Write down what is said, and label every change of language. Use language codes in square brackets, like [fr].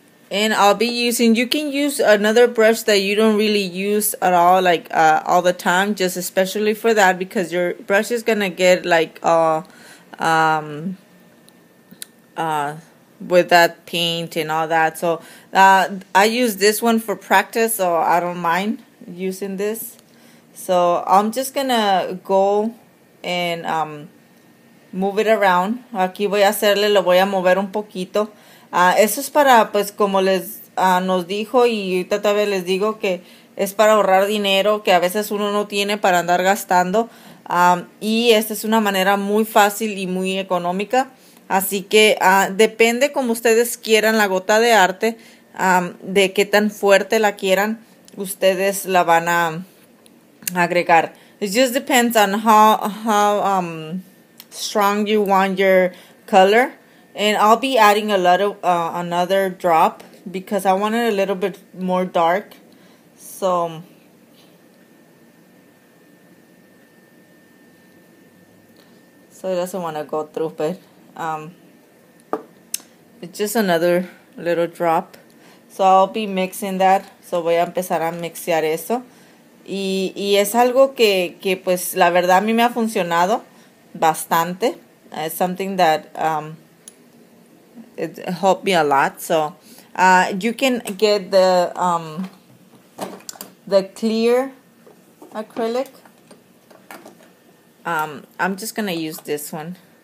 [en] And I'll be using, you can use another brush that you don't really use at all, like all the time, just especially for that, because your brush is gonna get like with that paint and all that. So I use this one for practice, so I don't mind using this. So I'm just gonna go and move it around. [es] Aquí voy a hacerle, lo voy a mover un poquito. Eso es para, pues, como nos dijo, y ahorita todavía les digo que es para ahorrar dinero que a veces uno no tiene para andar gastando. Y esta es una manera muy fácil y muy económica. Así que depende como ustedes quieran la gota de arte, de qué tan fuerte la quieran, ustedes la van a agregar. [en] It just depends on strong you want your color. And I'll be adding a lot of another drop because I want it a little bit more dark. So it doesn't want to go through, but it's just another little drop. So I'll be mixing that. [es] So voy a empezar a mixear eso. Y es algo que pues la verdad a mí me ha funcionado bastante. [en] It's something that it helped me a lot. So you can get the clear acrylic. I'm just gonna use this one.